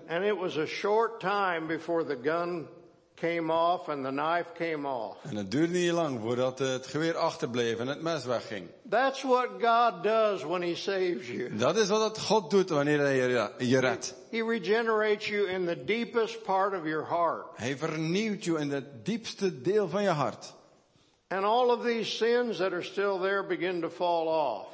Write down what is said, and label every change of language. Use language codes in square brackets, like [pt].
[en] And it was a short time before the gun came off and the knife came off. [nl] En het duurde niet lang voordat het geweer achterbleef en het mes wegging. [en] That's what God does when he saves you. [nl] Dat is wat God doet wanneer hij je redt. [en] He regenerates you in the deepest part of your heart. [nl] Hij vernieuwt je in het diepste deel van je hart. [en] And all of these sins that are still there begin to fall off.